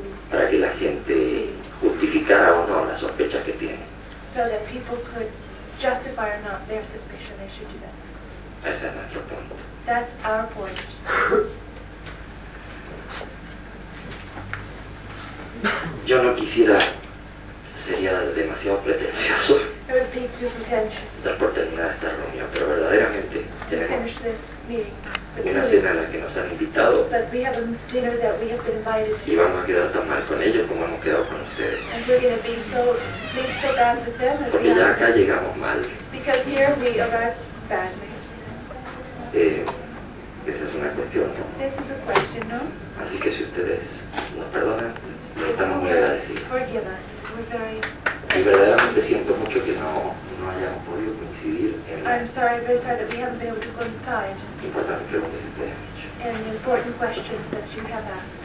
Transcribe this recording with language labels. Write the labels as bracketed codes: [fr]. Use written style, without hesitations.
[es] para que la gente justificara o no las sospechas que tiene. [en] So that people could justify or not their suspicion, they should do that. [es] Ese es nuestro punto. [en] That's our point. [es] Yo no quisiera, sería demasiado pretencioso. [en] It would be too pretentious. [es] Dar por terminada esta reunión, pero verdaderamente tenemos [en] this meeting, [es] una cena a la que nos han invitado. [en] But we have a dinner that we have been invited to. [es] Y vamos a quedar tan mal con ellos como hemos quedado con ustedes. [en] And we're going to be so, made so bad with them. [es] Porque ya acá llegamos mal. [en] Because here we arrived badly. [es] Esa es una cuestión, ¿no? [en] This is a question, ¿no? [es] Así que si ustedes nos perdonan, estamos muy agradecidos. [en] Forgive us. We're very... [es] Y verdaderamente siento mucho que no hayamos podido coincidir en la [en] I'm sorry that we haven't been able to coincide. [es] Importantes preguntas que ustedes han hecho. [en] And the important questions that you have asked.